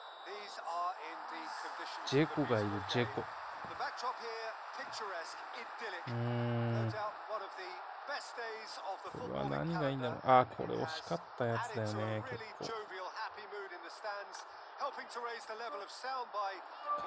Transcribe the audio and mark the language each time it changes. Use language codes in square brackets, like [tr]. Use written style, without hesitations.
[en] These are indeed conditions. [ja] ジェコがいる、ジェコ。 [en] The backdrop here, picturesque, idyllic. No doubt, one of the best days of the football. [ja] これは何がいいんだろう。ああ、これ惜しかったやつだよね、結構。 [en] Jovial, happy mood in the stands, helping to raise the level of sound by.